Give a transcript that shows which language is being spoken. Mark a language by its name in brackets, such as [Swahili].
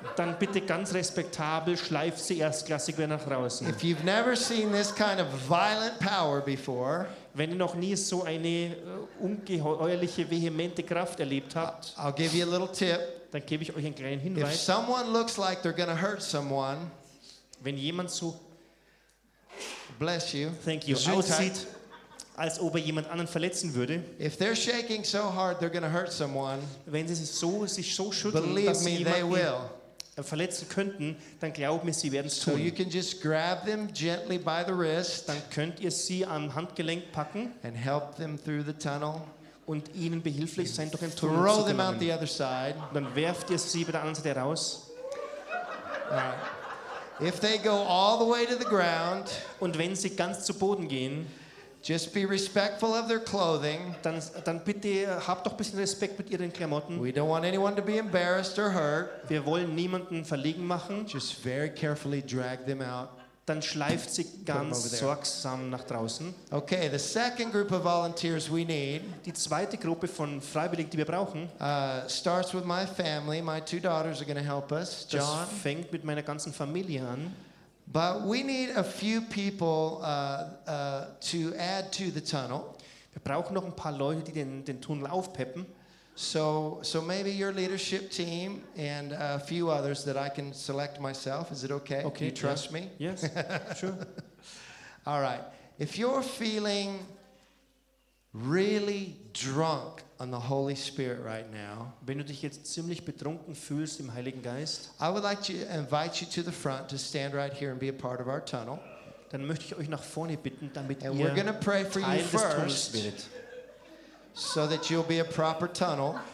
[German] Dann bitte ganz respektabel schleift sie erstklassig wieder nach draußen. [English] If you've never seen this kind of violent power before, [German] wenn ihr noch nie so eine ungeheuerliche, vehemente Kraft erlebt habt, [English] I'll give you a little tip. [German] Dann gebe ich euch einen kleinen Hinweis. [English] If someone looks like they're gonna hurt someone, [German] wenn jemand so [English] bless you, thank you, [German] aussieht, als ob er jemand anderen verletzen würde, [English] if they're shaking so hard, they're gonna hurt someone, [German] wenn sie sich so schütteln, dass sie jemanden verletzen könnten, dann glaub mir, sie werden es tun. [English] So you can just grab them gently by the wrist, [German] dann könnt ihr sie am Handgelenk packen [English] and help them through the tunnel, [German] und ihnen behilflich sein, durch den Tunnel [English] throw [German] zu gelangen. [English] Them out the other side. [German] Dann werft ihr sie bei der anderen Seite raus. [English] If they go all the way to the ground, [German] und wenn sie ganz zu Boden gehen, [English] just be respectful of their clothing. [German] Dann bitte habt doch ein bisschen Respekt mit ihren Klamotten. [English] We don't want anyone to be embarrassed or hurt. [German] Wir wollen niemanden verlegen machen. [English] Just very carefully drag them out. [German] Dann schleift sie ganz sorgsam nach draußen. [English] Okay, the second group of volunteers we need. [German] Die zweite Gruppe von Freiwilligen, die wir brauchen. [English] Starts with my family. My two daughters are going to help us. John. [German] Das fängt mit meiner ganzen Familie an. [English] But we need a few people to add to the tunnel. [German] Wir brauchen noch ein paar Leute, die den Tunnel aufpeppen. [English] So maybe your leadership team and a few others that I can select myself. Is it okay? Okay, can you trust yeah. me? Yes, sure. All right. If you're feeling really drunk on the Holy Spirit right now, [German] wenn du dich jetzt ziemlich betrunken fühlst im Heiligen Geist, [English] I would like to invite you to the front to stand right here and be a part of our tunnel. [German] Dann möchte ich euch nach vorne bitten, damit [English] and [German] ihr [English] we're going to pray for [German] Teil [English] you first so that you'll be a proper tunnel.